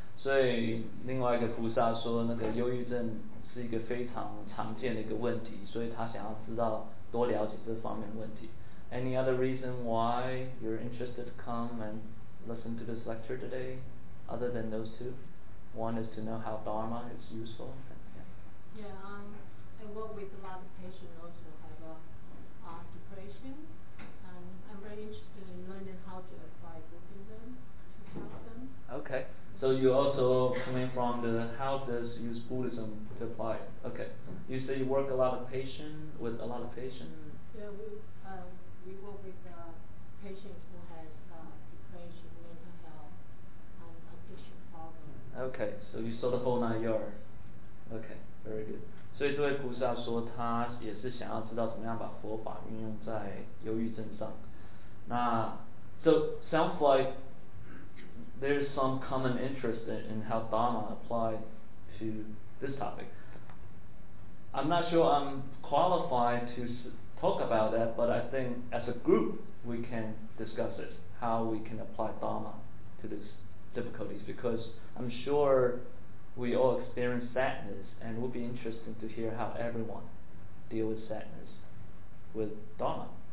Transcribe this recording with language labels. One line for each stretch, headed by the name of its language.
Chinese: 所以另外一个菩萨说，那个忧郁症是一个非常常见的一个问题，所以他想要知道多了解这方面的问题。
English: Any other reason why you're interested to come and listen to this lecture today, other than those two? One is to know how Dharma is useful. Yeah, I work with a lot of patients also have depression, and I'm very interested in learning how to apply Buddhism to help them. Okay. So you also coming from the how does use Buddhism to apply it? Okay. You say you work a lot of patient with a lot of patients? Yeah, we work with patients who has depression, mental health, and addiction problems. Okay, so you saw the whole nine yards. Okay, very good.
Chinese: 所以这位菩萨说他也是想要知道怎么样把佛法运用在忧郁症上。
English: 那 so sounds like,there's some common interest in how Dharma applied to this topic. I'm not sure I'm qualified to talk about that, but I think as a group, we can discuss it, how we can apply Dharma to these difficulties, because I'm sure we all experience sadness, and it would be interesting to hear how everyone deal with sadness with Dharma.